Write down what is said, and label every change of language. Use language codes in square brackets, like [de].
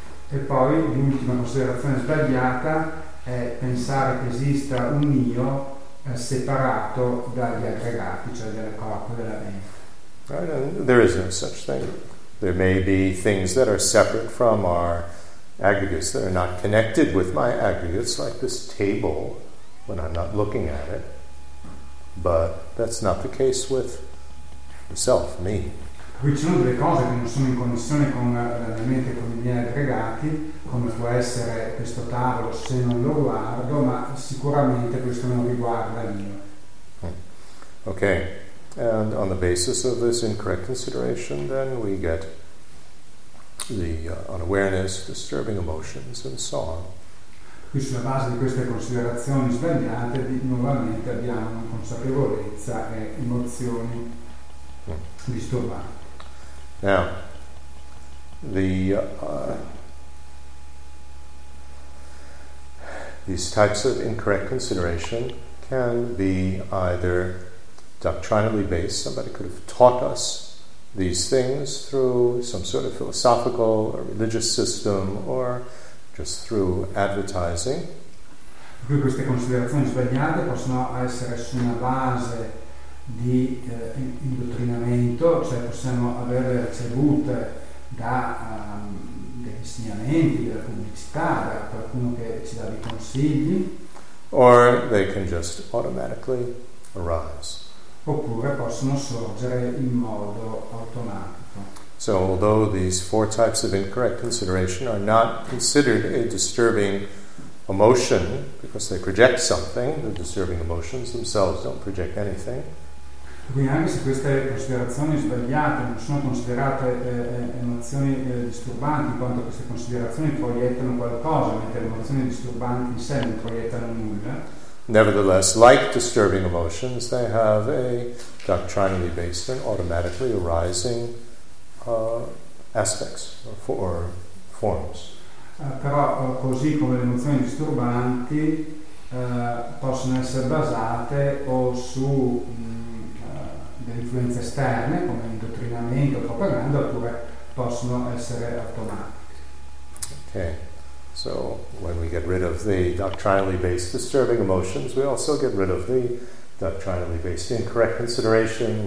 [it] E poi l'ultima considerazione sbagliata è pensare che esista un io separato dagli aggregati, cioè dal corpo, della mente. [en] Right, and there is no such thing. There may be things that are separate from our aggregates that are not connected with my aggregates, like this table, when I'm not looking at it, but that's not the case with the self, me. [it] Qui ci sono delle cose che non sono in connessione con la mia mente, con i miei aggregati, come può essere questo tavolo se non lo guardo, ma sicuramente questo non riguarda io. [en] Okay, and on the basis of this incorrect consideration, then we get the unawareness, disturbing emotions, and so on. [it] Qui sulla base di queste considerazioni sbagliate, nuovamente abbiamo inconsapevolezza e emozioni disturbanti. [en] Now, these types of incorrect consideration can be either doctrinally based. Somebody could have taught us these things through some sort of philosophical or religious system, or just through advertising. [it] Qui queste considerazioni sbagliate possono essere su una base di indottrinamento, cioè possiamo averle ricevute da degli insegnamenti, della pubblicità, da qualcuno che ci dà dei consigli. [en] Or they can just automatically arise. [it] Oppure possono sorgere in modo automatico. [en] So although these four types of incorrect consideration are not considered a disturbing emotion because they project something, the disturbing emotions themselves don't project anything. [it] Quindi anche se queste considerazioni sbagliate non sono considerate emozioni disturbanti, in quanto queste considerazioni proiettano qualcosa, mentre le emozioni disturbanti in sé non proiettano nulla. [en] Nevertheless, like disturbing emotions, they have a doctrinally based and automatically arising aspects or forms. [it] Però così come le emozioni disturbanti possono essere basate o su delle influenze esterne, come indottrinamento, propaganda, oppure possono essere automatiche. [en] Okay. So when we get rid of the doctrinally based disturbing emotions, we also get rid of the doctrinally based incorrect consideration.